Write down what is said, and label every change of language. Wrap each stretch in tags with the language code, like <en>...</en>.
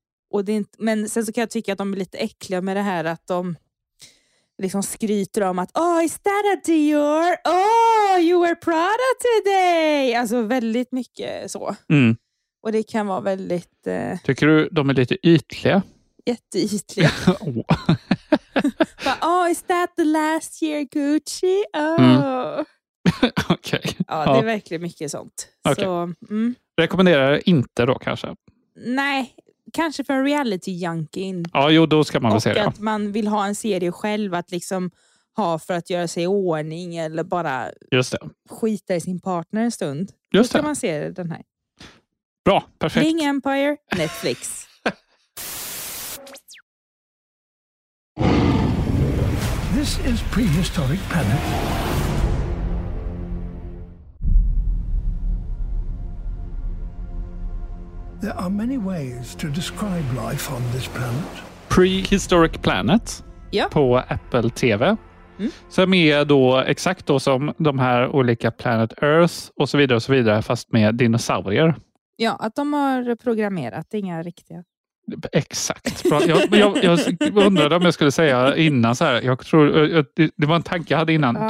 <sv>Och det är inte, men sen så kan jag tycka att de är lite äckliga med det här att de liksom skryter om att</sv> <en>oh, is that a Dior? Oh, you wear Prada today!</en> <sv>Alltså väldigt mycket så. Och det kan vara väldigt... Tycker du de är lite ytliga? Jätteytliga. Oh.</sv> <en>Oh, is that the last year Gucci? Oh.</en> <sv>Okej. Okay. Ja, det är verkligen mycket sånt. Okay. Så, Rekommenderar inte då kanske? Nej. Kanske för en reality-junkin. Ja, jo, då ska man väl se det. Och att man vill ha en serie själv att liksom ha för att göra sig i ordning eller bara just det. Skita i sin partner en stund. Just då ska det. Man se den här. Bra, perfekt. Bling Empire, Netflix.</sv> <en>This is prehistoric planet. There are many ways to describe life on this planet. Prehistoric Planet.</en> <sv>Ja. På Apple TV. Som är då exakt då som de här olika Planet Earth och så vidare, fast med dinosaurier. Ja, att de har programmerat, inga riktiga. Exakt. Bra. Jag undrade om jag skulle säga innan så här. Jag tror, det var en tanke jag hade innan. Ja.</sv>